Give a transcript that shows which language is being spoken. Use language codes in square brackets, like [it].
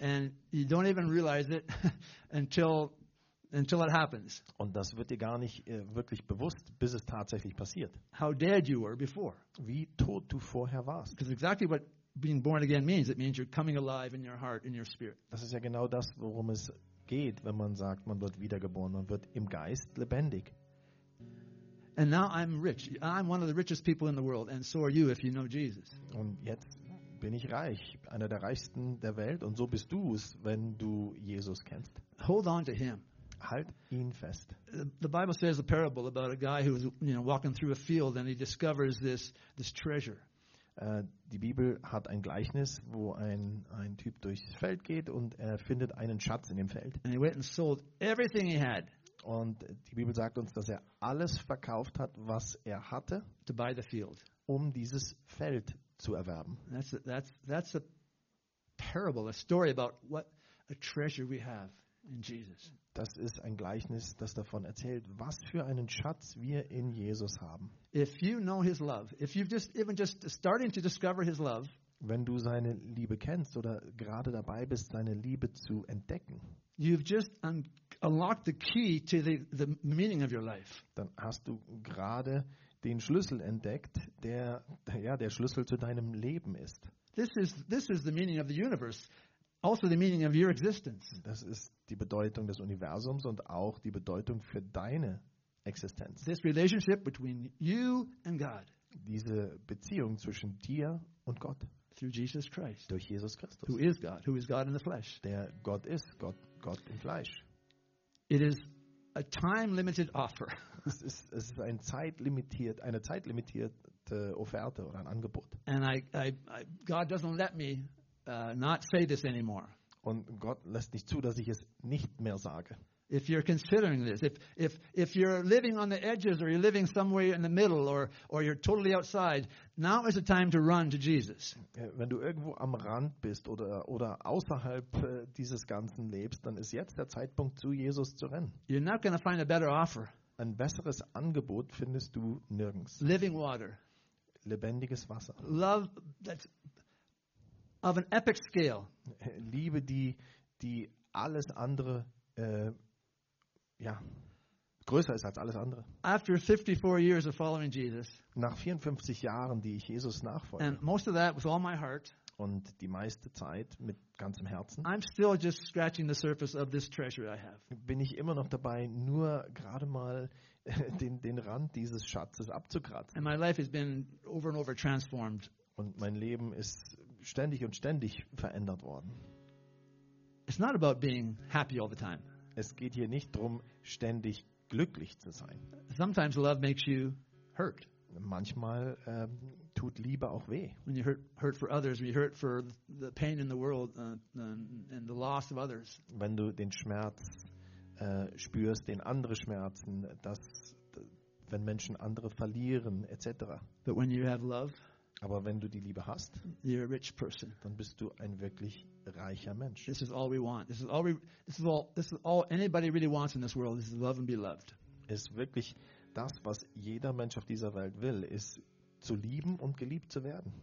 [en] And you don't even realize it until it happens. [de] Und das wird dir gar nicht wirklich bewusst, bis es tatsächlich passiert. [en] How dead you were before. [de] Wie tot du vorher warst. [en] Because exactly what being born again means. It means you're coming alive in your heart, in your spirit. [de] Das ist ja genau das, worum es geht, wenn man sagt, man wird wiedergeboren, man wird im Geist lebendig. [en] And now I'm rich. I'm one of the richest people in the world, and so are you if you know Jesus. [de] Und jetzt bin ich reich, einer der reichsten der Welt, und so bist du es, wenn du Jesus kennst. [en] Hold on to him. [de] Halt ihn fest. [en] The Bible says a parable about a guy who was, you know, walking through a field and he discovers this treasure. [de] Die Bibel hat ein Gleichnis, wo ein Typ durchs Feld geht und er findet einen Schatz in dem Feld. [en] And he went and sold everything he had. [de] Und die Bibel sagt uns, dass er alles verkauft hat, was er hatte, [en] to buy the field. [de] Um dieses Feld zu erwerben. [en] That's a parable, a story about what a treasure we have in Jesus. [de] Das ist ein Gleichnis, das davon erzählt, was für einen Schatz wir in Jesus haben. [en] If you know his love, if you've just even just starting to discover his love, [de] wenn du seine Liebe kennst oder gerade dabei bist, seine Liebe zu entdecken, [en] you've just unlocked the key to the meaning of your life. [de] Dann hast du gerade den Schlüssel entdeckt, der Schlüssel zu deinem Leben ist. [en] This is the meaning of the universe. Also the meaning of your existence. [de] Das ist die Bedeutung des Universums und auch die Bedeutung für deine Existenz. [en] This relationship between you and God. [de] Diese Beziehung zwischen dir und Gott. [en] Through Jesus Christ. [de] Durch Jesus Christus. [en] Who is God in the flesh. [de] Der Gott ist, Gott im Fleisch. [en] It is a time-limited offer. [de] Es ist eine zeitlimitierte Offerte oder ein Angebot. [en] And I God doesn't let me not say this anymore. [de] Und Gott lässt nicht zu, dass ich es nicht mehr sage. [en] If you're considering this, if you're living on the edges or you're living somewhere in the middle or you're totally outside, now is the time to run to Jesus. [de] Wenn du irgendwo am Rand bist oder außerhalb dieses Ganzen lebst, dann ist jetzt der Zeitpunkt, zu Jesus zu rennen. [en] You're not going to find a better offer. [de] Ein besseres Angebot findest du nirgends. [en] Living water. [de] Lebendiges Wasser. [en] Love that's of an epic scale. [de] Liebe, die alles andere größer ist als alles andere. [en] After 54 years of following Jesus. [de] Nach 54 Jahren, die ich Jesus nachfolge. [en] And most of that with all my heart. [de] Und die meiste Zeit mit ganzem Herzen. [en] I'm still just scratching the surface of this treasure I have. [de] Bin ich immer noch dabei, nur gerade mal den Rand dieses Schatzes abzukratzen. [en] And my life has been over and over transformed. [de] Und mein Leben ist ständig und ständig verändert worden. [en] It's not about being happy all the time. [de] Es geht hier nicht darum, ständig glücklich zu sein. [en] Sometimes love makes you hurt. [de] Manchmal tut Liebe auch weh. [en] When you hurt for others, when you hurt for the pain in the world and the loss of others. [de] Wenn du den Schmerz spürst, den andere Schmerzen, dass wenn Menschen andere verlieren, etc. [en] But when you have love. [de] Aber wenn du die Liebe hast, [en] you're a rich person. [de] Dann bist du ein wirklich reicher Mensch. [en] This is all we want. This is all anybody really wants in this world is love and be loved. [de] Ist wirklich das, was jeder Mensch auf dieser Welt will, ist zu lieben und geliebt zu werden.